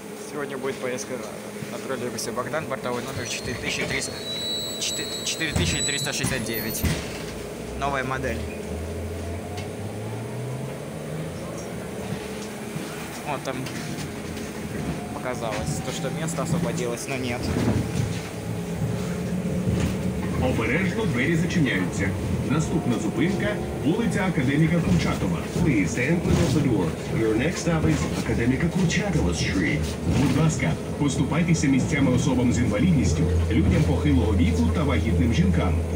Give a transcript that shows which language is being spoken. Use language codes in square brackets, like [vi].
[ru] сегодня будет поездка на троллейбусе Богдан, бортовой номер 4369. Новая модель. Вот там показалось, то, что место освободилось, но нет. [uk] Обережно двері зачиняються. Наступна зупинка – вулиця Академіка Курчатова. [en] Please enter the door. Your next stop is Академіка Курчатова Street. [uk] Будь ласка, поступайтеся місцями особам з інвалідністю, людям похилого віку та вагітним жінкам.